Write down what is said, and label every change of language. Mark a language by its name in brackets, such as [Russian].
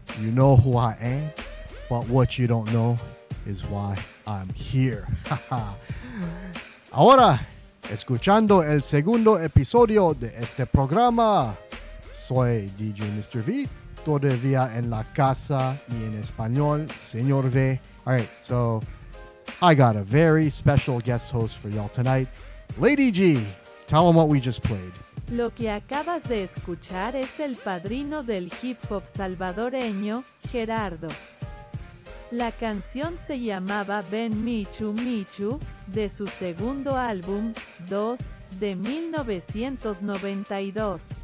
[English] You know who I am, but what you don't know is why I'm here. [Spanish] Ahora escuchando el segundo episodio de este programa. Soy DJ Mr. V, todavía en la casa y en español, Señor V. [English] All right, so I got a very special guest host for y'all tonight. Lady G, tell them what we just played. [Spanish] Lo que acabas de escuchar es el padrino del hip hop salvadoreño, Gerardo. La canción se llamaba Ven Michu Michu, de su segundo álbum, 2, de 1992.